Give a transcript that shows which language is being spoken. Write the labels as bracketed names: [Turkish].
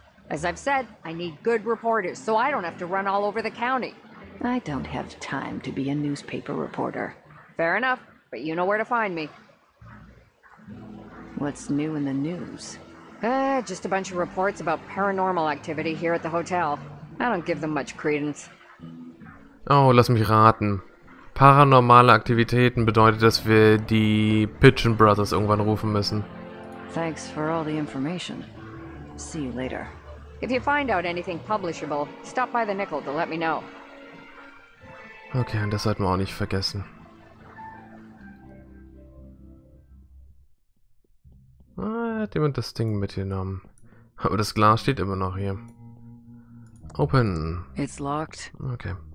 [English] As I've said, I need good reporters, so I don't have to run all over the county. I don't have time to be a newspaper reporter. Fair enough, but you know where to find me. What's new in the news? Just a bunch of reports about paranormal activity here at the hotel. I don't give them much credence. [German] Oh, lass mich raten. Paranormale Aktivitäten bedeutet, dass wir die Pigeon Brothers irgendwann rufen müssen. [English] Thanks for all the information. See you later. If you find out anything publishable, stop by the Nickel to let me know. [German] Okay, und das sollten wir auch nicht vergessen. Hat jemand das Ding mitgenommen? Aber das Glas steht immer noch hier. [English] Open. It's locked. [German] Okay.